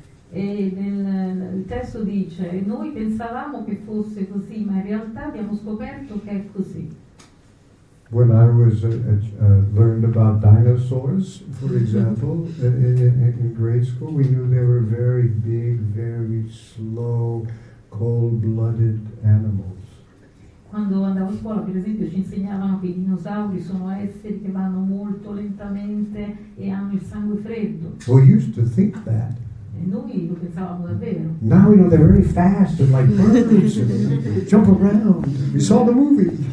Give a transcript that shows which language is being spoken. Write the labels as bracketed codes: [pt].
[it] E il testo dice, noi pensavamo che fosse così, ma in realtà abbiamo scoperto che è così. [en] When I was learned about dinosaurs, for example, in grade school, we knew they were very big, very slow, cold-blooded animals. [it] Quando andavo a scuola, per esempio, ci insegnavano che i dinosauri sono esseri che vanno molto lentamente e hanno il sangue freddo. [en] We used to think that. Now we know they're very fast and like birds and jump around. We saw the movie.